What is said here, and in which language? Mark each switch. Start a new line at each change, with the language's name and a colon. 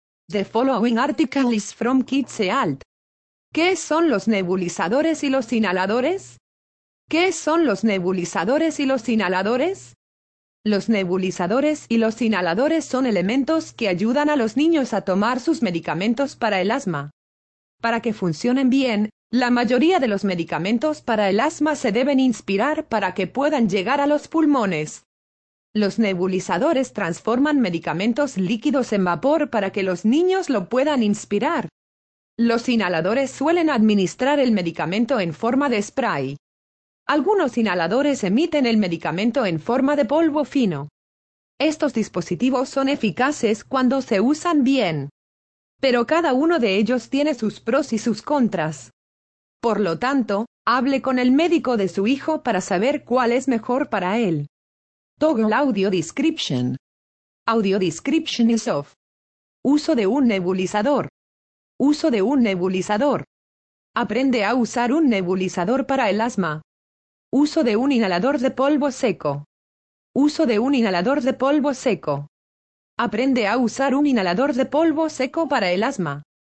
English: The following article is from Kids Health.
Spanish: ¿Qué son los nebulizadores y los inhaladores? ¿Qué son los nebulizadores y los inhaladores? Los nebulizadores y los inhaladores son elementos que ayudan a los niños a tomar sus medicamentos para el asma. Para que funcionen bien, la mayoría de los medicamentos para el asma se deben inspirar para que puedan llegar a los pulmones. Los nebulizadores transforman medicamentos líquidos en vapor para que los niños lo puedan inspirar. Los inhaladores suelen administrar el medicamento en forma de spray. Algunos inhaladores emiten el medicamento en forma de polvo fino. Estos dispositivos son eficaces cuando se usan bien. Pero cada uno de ellos tiene sus pros y sus contras. Por lo tanto, hable con el médico de su hijo para saber cuál es mejor para él.
English: Toggle Audio Description. Audio Description is off.
Spanish: Uso de un nebulizador. Uso de un nebulizador. Aprende a usar un nebulizador para el asma. Uso de un inhalador de polvo seco. Uso de un inhalador de polvo seco. Aprende a usar un inhalador de polvo seco para el asma.